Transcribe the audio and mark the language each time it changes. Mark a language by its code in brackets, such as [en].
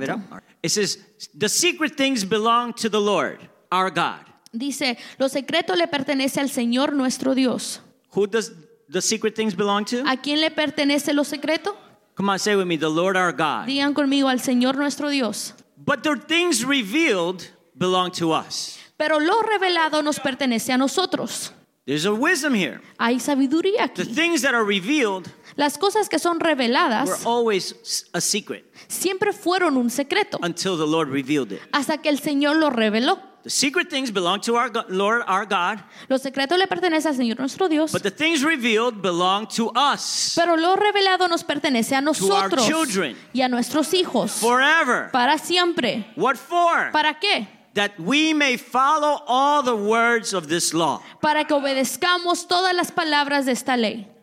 [en] We have it up. It says, "The secret things belong to the Lord, our God." [es] Dice, "Lo secreto le pertenece al Señor nuestro Dios." [en] Who does the secret things belong to? [es] ¿A quién le pertenece lo secreto? [en] Come on, say with me, the Lord our God. [es] Digan conmigo, al Señor nuestro Dios. [en] But the things revealed belong to us. [es] Pero lo revelado nos pertenece a nosotros. [en] There's a wisdom here. [es] Hay sabiduría aquí. [en] The things that are revealed, [es] las cosas que son reveladas, [en] were always a secret. [es] Siempre fueron un secreto. [en] Until the Lord revealed it. [es] Hasta que el Señor lo reveló. [en] The secret things belong to our Lord, our God. [es] Los secretos le pertenecen al Señor nuestro Dios. [en] But the things revealed belong to us. [es] Pero lo revelado nos pertenece a nosotros. [en] To our children. [es] Y a nuestros hijos. [en] Forever. [es] Para siempre. [en] What for? [es] ¿Para qué? [en] That we may follow all the words of this law. [es] Para que obedezcamos todas las palabras de esta ley.